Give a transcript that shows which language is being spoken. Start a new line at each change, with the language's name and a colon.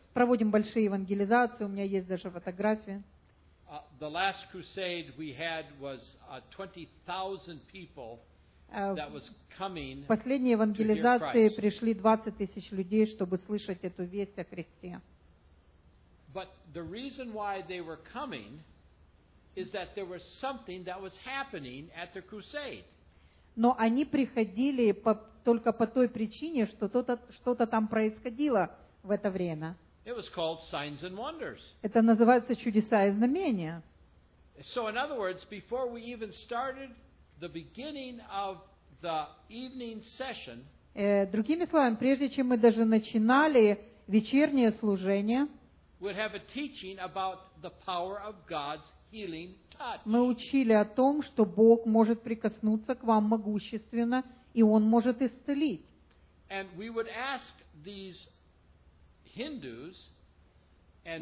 Russian: проводим большие евангелизации, у меня есть даже фотографии.
English: The last crusade we had was 20,000 people that was coming.
Russian: Последние евангелизации пришли 20,000 людей, чтобы слышать эту весть о Христе.
English: But the reason why they were coming is that there was something that was happening at the crusade.
Russian: Но они приходили только по той причине, что что-то там происходило в это время.
English: It was called signs and wonders.
Russian: Это называется чудеса и знамения.
English: So in other words, before we even started the beginning of the evening session,
Russian: другими словами, прежде чем мы даже начинали вечернее служение,
English: would have a teaching about the power of God's healing touch.
Russian: Мы учили о том, что Бог может прикоснуться к вам могущественно, и Он может исцелить.
English: And we would ask these Hindus and